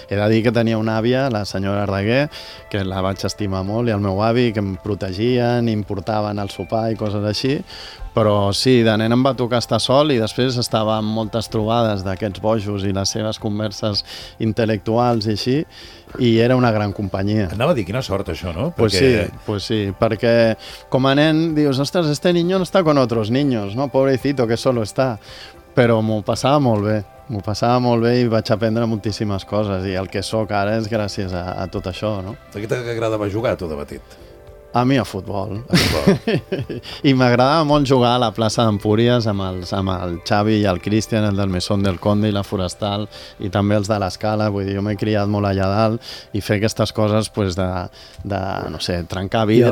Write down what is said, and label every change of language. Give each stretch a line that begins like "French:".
Catalan: He de dir que tenia una àvia, la senyora Arreguer, que la vaig estimar molt, i el meu avi, que em protegien, importaven el sopar i coses així, però sí, de nen em va tocar estar sol i després estava en moltes trobades d'aquests bojos i les seves converses intel·lectuals i així, i era una gran companyia. Anava a dir, quina sort això, no? Perquè... pues sí, perquè com a nen dius, ostres,
Spanish: este niño no está con otros niños, no? Pobrecito, que solo está.
Catalan: Però m'ho passava molt bé. M'ho passava molt bé i vaig aprendre moltíssimes coses, i el que sóc ara és gràcies a tot això, no? A qui t'agradava jugar, tu, de petit? A mi, a futbol. A futbol. I m'agradava molt jugar a la plaça d'Empúries amb el Xavi i el Cristian, el del Mesón del Conde i la Forestal, i també els de l'Escala, vull dir, jo m'he criat molt allà dalt, i fer aquestes coses, pues, de no sé, trencar vidres...